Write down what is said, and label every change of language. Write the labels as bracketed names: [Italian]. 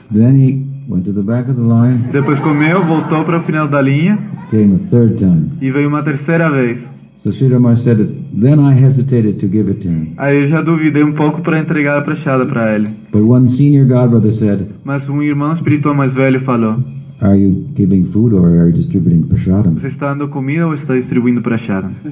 [English] Then he went to the back of the line. [Portuguese] Depois comeu, voltou para o final da linha. [English] Came a third time. [Portuguese] E veio uma terceira vez. [English] So Sridhar Maharaj said that, then I hesitated to give it to him. [Portuguese] Aí eu já duvidei pouco para entregar a prasada para ele. [English] But one senior godbrother said, [Portuguese] mas irmão espiritual mais velho falou, [English] are you giving food or are you distributing prasadam? [Portuguese] Você está dando comida ou está distribuindo prasadam?